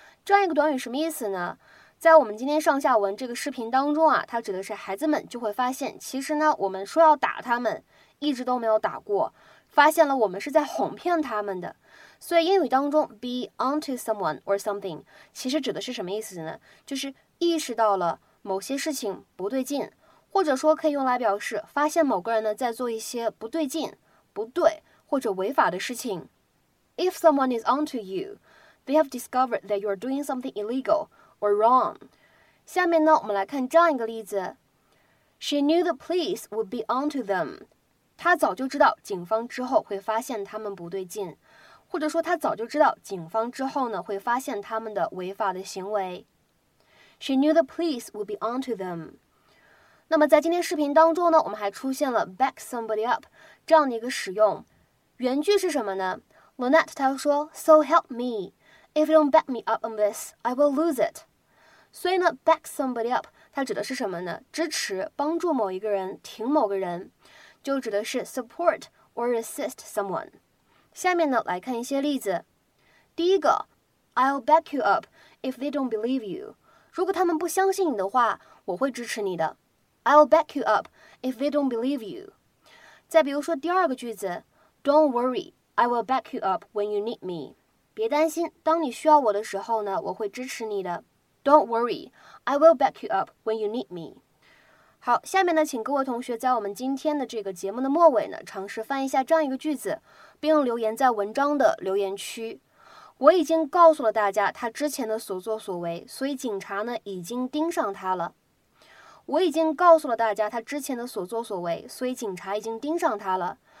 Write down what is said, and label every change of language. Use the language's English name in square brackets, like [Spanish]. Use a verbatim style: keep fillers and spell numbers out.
[Chinese] 这样一个短语什么意思呢？在我们今天上下文这个视频当中啊，它指的是孩子们就会发现，其实呢，我们说要打他们，一直都没有打过，发现了我们是在哄骗他们的。所以英语当中 [English] be onto someone or something [Chinese] 其实指的是什么意思呢？就是意识到了某些事情不对劲，或者说可以用来表示发现某个人呢在做一些不对劲、不对或者违法的事情。 [English] If someone is onto you, they have discovered that you are doing something illegal or wrong. [Chinese] 下面呢，我们来看这样一个例子。 [English] She knew the police would be onto them. [Chinese] 她早就知道警方之后会发现他们不对劲，或者说她早就知道警方之后呢会发现他们的违法的行为。 [English] She knew the police would be onto them. [Chinese] 那么在今天视频当中呢，我们还出现了 [English] back somebody up [Chinese] 这样的一个使用。原句是什么呢？ [English] Lynette [Chinese] 她说 [English] So help me, if you don't back me up on this, I will lose it. [Chinese] 所以呢 [English] back somebody up [Chinese] 它指的是什么呢？支持、帮助某一个人、挺某个人，就指的是 [English] support or assist someone。 [Chinese] 下面呢来看一些例子。第一个 [English] I'll back you up if they don't believe you. [Chinese] 如果他们不相信你的话，我会支持你的。 [English] I'll back you up if they don't believe you. [Chinese] 再比如说第二个句子 [English] Don't worry, I will back you up when you need me. [Chinese] 别担心，当你需要我的时候呢，我会支持你的。 [English] Don't worry, I will back you up when you need me. [Chinese] 好，下面呢，请各位同学在我们今天的这个节目的末尾呢，尝试翻一下这样一个句子，并留言在文章的留言区。我已经告诉了大家他之前的所作所为，所以警察呢已经盯上他了。我已经告诉了大家他之前的所作所为，所以警察已经盯上他了。